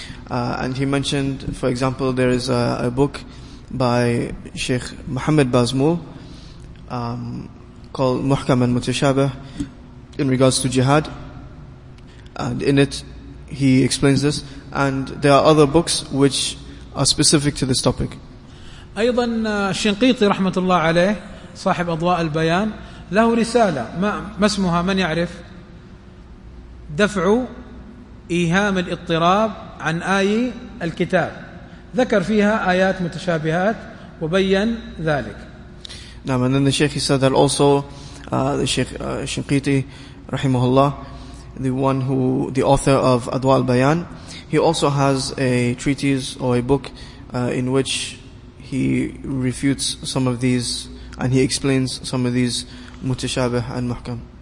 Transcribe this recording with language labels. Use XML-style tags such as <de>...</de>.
<en>And he mentioned, for example, there is a book by Sheikh Muhammad Bazmul called Muhkam and Mutashabah in regards to jihad, And in it, he explains this. And there are other books which are specific to this topic.</en> <ar>أيضا الشنقيطي رحمة الله عليه صاحب أضواء البيان له رسالة ما اسمها من يعرف دفع إيهام الاضطراب عن آي الكتاب ذكر فيها آيات متشابهات وبين ذلك. نعم.</ar> <en>And then the Sheikh, he said that also the Sheikh Shinqiti rahimahullah, the one who the author of Adwa al-Bayan, he also has a treatise or a book in which he refutes some of these and he explains some of these mutashabih and muhkam.</en>